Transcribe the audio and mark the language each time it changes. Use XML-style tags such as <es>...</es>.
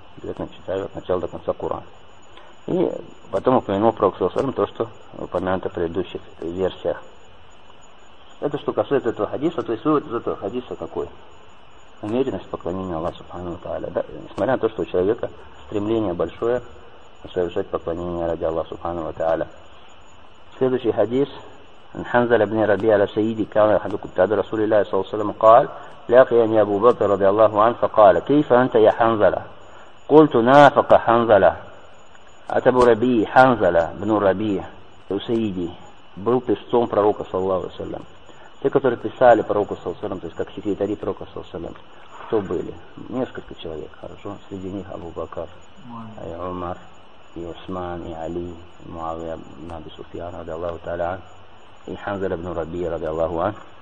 <ru>Обязательно читаю от начала до конца Куран. И потом упомянул пророк саллаллаху алейхи ва саллям то, что упомянуто в предыдущих версиях. Это что касается этого хадиса, то есть вывод из этого хадиса какой? Умеренность поклонения Аллаху субхану ва тааля. Да? Несмотря на то, что у человека стремление большое совершать поклонение ради Аллаха субхану ва тааля. Следующий хадис</ru> <ar>عن حنزل بن ربيعة السيدي كان أحد قتاد رسول الله صلى الله عليه وسلم قال لاقيني أبو بكر رضي الله عنه فقال كيف أنت يا حنزلة؟ قلت نافق حنزلة.</ar> <ru>أتبو ربيع حنزلة بن ربيع السيدي был песцом пророка саллаллаху алейхи ва саллям. Те, которые писали пророку саллаллаху алейхи ва саллям, то есть как секретари пророка саллаллаху алейхи ва саллям, кто были? Несколько человек, хорошо. Среди них Абу Бакар, и Умар, и Усман, и Али, и Муавия, и Аби Суфьян, ради Аллаху Та'аля, и Ханзал ибн Раби, ради Аллаху Ан.</ru>